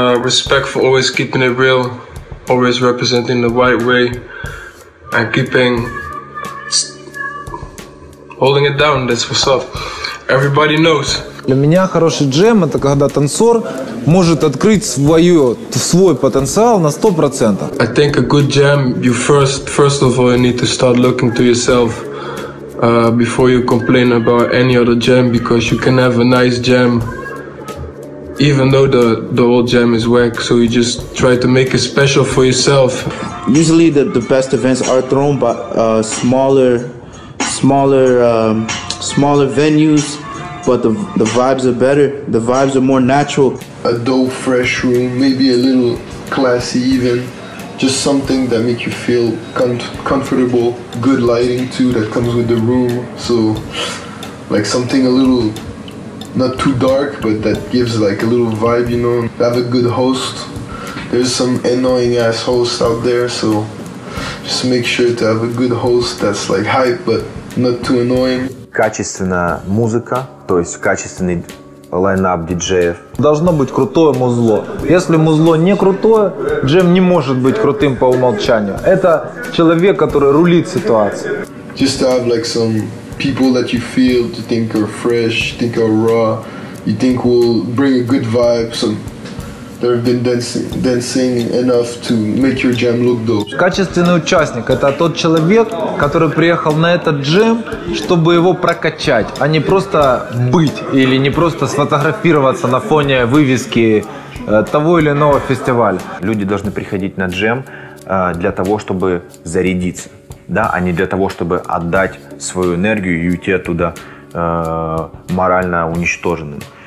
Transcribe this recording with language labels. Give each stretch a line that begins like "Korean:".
English: Respect for always keeping it real, always representing the white way, and keeping holding it down. That's what's up. Everybody knows.
Russian: Для меня хороший джем — это когда танцор может открыть свой потенциал на 100%.
English: I think a good jam, you first of all, you need to start looking to yourself. Before you complain about any other jam, because you can have a nice jam even though the old jam is whack, so you just try to make it special for yourself. Usually the best events are thrown by smaller venues, but the vibes are better, the vibes are more natural. A dope fresh room, maybe a little classy even. Just something that makes you feel comfortable, good lighting too that comes with the room. So like something a little, not too dark, but that gives like a little vibe, you know. Have a good host. There's some annoying ass hosts out there, so just make sure to have a good host that's like hype, but not too annoying.
Russian: Качественная музыка, то есть качественный лайнап диджеев. Должно быть крутое музло. Если музло не крутое, джем не может быть крутым по умолчанию. Это человек, который рулит ситуацией.
English: Just to have like some people that you feel, you think are fresh, you think are raw, you think will bring a good vibe, some that have been dancing enough to make your jam look dope.
Russian: Качественный участник – это тот человек, который приехал на этот джем, чтобы его прокачать, а не просто быть или не просто сфотографироваться на фоне вывески того или иного фестиваля. Люди должны приходить на джем для того, чтобы зарядиться, да, а не для того, чтобы отдать свою энергию и уйти оттуда морально уничтоженным.